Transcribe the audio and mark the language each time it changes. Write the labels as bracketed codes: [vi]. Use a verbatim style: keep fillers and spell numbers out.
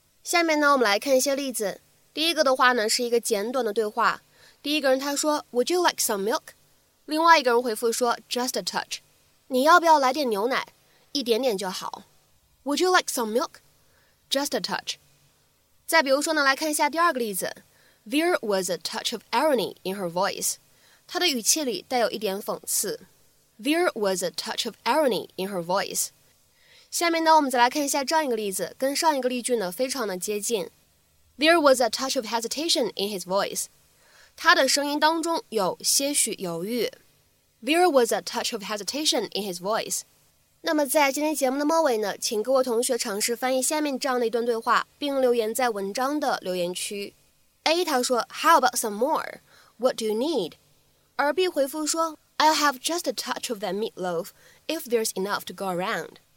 [zh] 下面呢，我们来看一些例子。第一个的话呢，是一个简短的对话。第一个人他说 [en] Would you like some milk? [zh] 另外一个人回复说 [en] Just a touch. [zh] 你要不要来点牛奶？一点点就好。 [en] Would you like some milk? Just a touch. [zh] 再比如说呢，来看一下第二个例子。 [en] There was a touch of irony in her voice. [zh] 她的语气里带有一点讽刺。 [en] There was a touch of irony in her voice. [zh] 下面呢，我们再来看一下这样一个例子，跟上一个例句呢非常的接近。 [en] There was a touch of hesitation in his voice. [zh] 他的声音当中有些许犹豫。 [en] There was a touch of hesitation in his voice. [zh] 那么在今天节目的末尾呢，请各位同学尝试翻译下面这样的一段对话，并留言在文章的留言区。 [en] A [zh] 他说 [en] How about some more? What do you need? [zh] 而 B 回复说 [en] I'll have just a touch of that meatloaf if there's enough to go around.